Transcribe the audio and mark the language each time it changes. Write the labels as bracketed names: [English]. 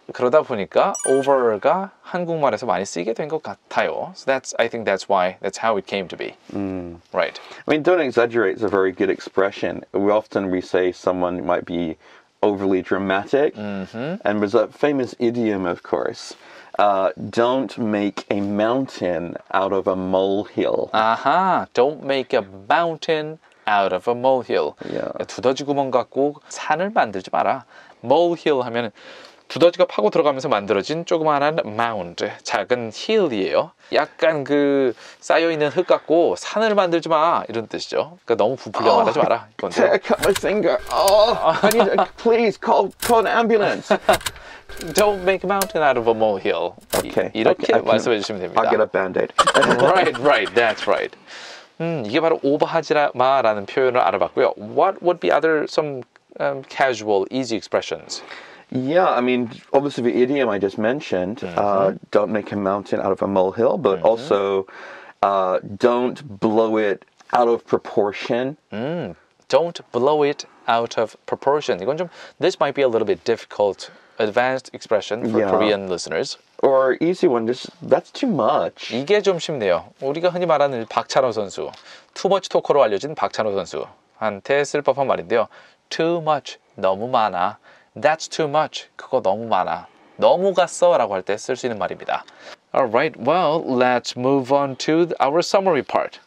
[Korean] 그러다 보니까 over가 한국말에서 많이 쓰이게 된 것 같아요. [English] So that's, I think that's why, that's how it came to be. Right. I mean, don't exaggerate is a very good expression. We often, we say someone might be overly dramatic. And there's a famous idiom, of course. Don't make a mountain out of a molehill. Aha, don't make a mountain out of a molehill. Yeah. [Korean] 두더지 구멍 갖고 산을 만들지 마라. Molehill 하면 두더지가 파고 들어가면서 만들어진 조그마한 mound, 작은 hill이에요. 약간 그 쌓여있는 흙 갖고 산을 만들지 마 이런 뜻이죠. 그러니까 너무 부풀려 말하지 마라. 이건데. [English] I cut my finger. Oh, I need to, please call an ambulance. Don't make a mountain out of a molehill. Okay. [Korean] 이렇게 말씀해 주시면 됩니다. [English] I'll get a band-aid. Right, right, that's right. [Korean] 이게 바로 오버하지 마라는 표현을 알아봤고요. [English] What would be other some casual, easy expressions? Yeah, I mean, obviously the idiom I just mentioned, don't make a mountain out of a molehill, but also don't blow it out of proportion. Don't blow it out of proportion. [Korean] 이건 좀, [English] this might be a little bit difficult advanced expression for Korean listeners. Or easy one, just that's too much. [Korean] 이게 좀 쉽네요. 우리가 흔히 말하는 박찬호 선수, 투머치 토커로 알려진 박찬호 선수한테 쓸 법한 말인데요. [English] Too much, [Korean] 너무 많아. [English] That's too much, [Korean] 그거 너무 많아. 너무 갔어 라고 할 때 쓸 수 있는 말입니다. [English] Alright, well, let's move on to our summary part.